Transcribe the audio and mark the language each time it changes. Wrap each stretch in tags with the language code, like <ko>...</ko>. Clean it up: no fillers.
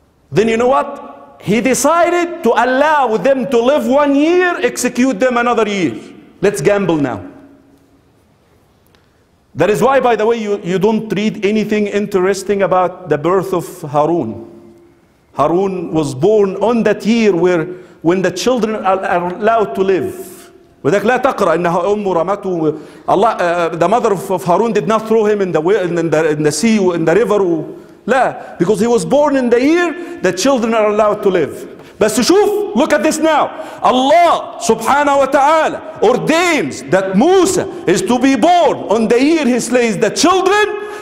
<en>Then you know what? He decided to allow them to live 1 year, execute them another year. Let's gamble now. That is why, by the way, you don't read anything interesting about the birth of Harun. Harun was born on that year when the children are allowed to live.</en> <ar>وذاك لا تقرأ أنها أم رمته.</ar> <en>Allah, the mother of Harun did not throw him in the sea, in the river. La, because he was born in the year that children are allowed to live. But</en> <ar>شوف,</ar> <en>look at this now. Allah subhanahu wa ta'ala ordains that Musa is to be born on the year he slays the children.</en>